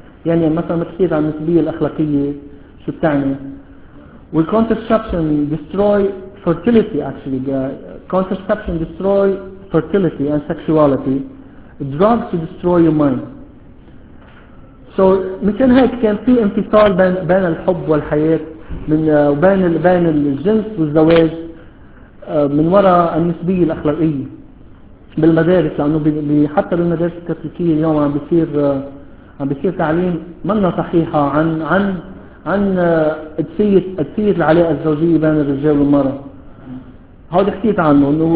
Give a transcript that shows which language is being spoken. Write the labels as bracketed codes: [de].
[ar] يعني مثلا متحيد عن النسبية الأخلاقية شو بتعني. [en] Contraception destroy fertility actually. Contraception destroy fertility and sexuality. Drugs to destroy your mind. [ar] So مثل هيك كان في انفصال بين الحب والحياة من بين الجنس والزواج من وراء النسبية الأخلاقية بالمدارس, لأنه حتى بالمدارس الكاثوليكية اليوم عم بيصير تعليم منا صحيحة عن قدسية العلاقة الزوجية بين الرجال والمرأة. هذا حكيت عنه.